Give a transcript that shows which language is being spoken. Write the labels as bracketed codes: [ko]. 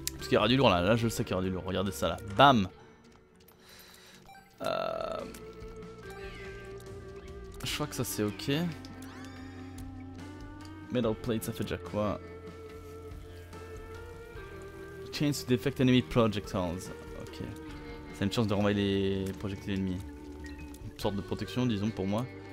[fr] Il y aura du lourd là, je sais qu'il y aura du lourd, regardez ça là, bam. Je crois que ça c'est ok. Metal plate, ça fait déjà quoi? [en] Chains to defect enemy projectiles. [fr] Ok, c'est une chance de renvoyer les projectiles ennemis. Une sorte de protection disons pour moi.